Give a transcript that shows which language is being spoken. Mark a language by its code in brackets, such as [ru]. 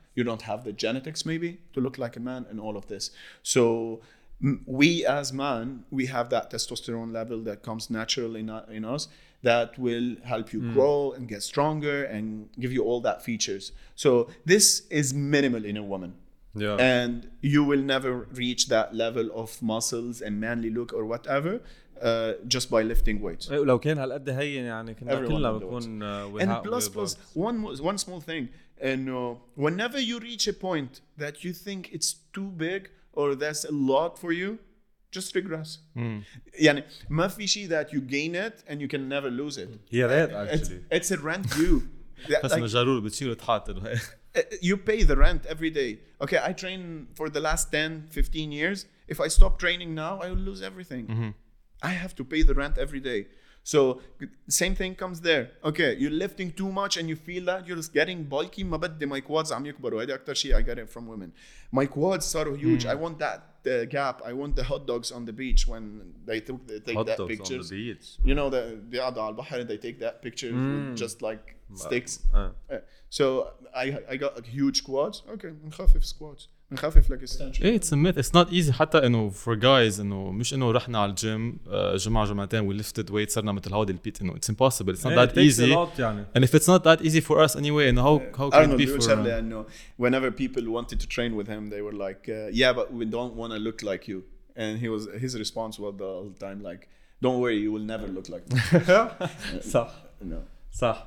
[en] You don't have the genetics maybe to look like a man and all of this. So we as men, we have that testosterone level that comes naturally in us that will help you grow and get stronger and give you all that features. So this is minimal in a woman. Yeah. And you will never reach that level of muscles and manly look or whatever just by lifting weights. [ar] لو كان هالقد هين يعني كنا كلنا بكون [en] and plus one small thing. And whenever you reach a point that you think it's too big or that's a lot for you, just regress. [ar] يعني ما في شيء [en] that you gain it and you can never lose it. Yeah, that actually. It's a rent you. [ar] بس من جرور بتشيل وتحط. [en] You pay the rent every day. Okay, I train for the last 10, 15 years. If I stop training now, I will lose everything. Mm-hmm. I have to pay the rent every day. So same thing comes there. Okay, you're lifting too much and you feel that you're just getting bulky. [ar] ما بدي [en] my quads [ar] عم يكبروا. هذا أكتر شيء [en] I get it from women. My quads are huge. I want that gap. I want the hot dogs on the beach when they took take hot that dogs picture. On the beach. You know the [ar] قاعدة على البحر, [en] they take that picture just like sticks. So I got a huge quads. Okay, [ar] نخفف [en] squats. Like it's a myth. It's not easy. [ar] حتى إنه [en] for guys [ar] إنه مش إنه رحنا على الجيم جمعة جمعتين [en] we lifted weight [ar] صرنا مثل هودي البيت إنه [en] it's impossible. It's not that easy. [ar] يعني. [en] And if it's not that easy for us anyway, and how can it be for him? Whenever people wanted to train with him, they were like, yeah, but we don't want to look like you. And his response was the whole time like, don't worry, you will never look like me. [ar] صح. [en] No. [ar] صح.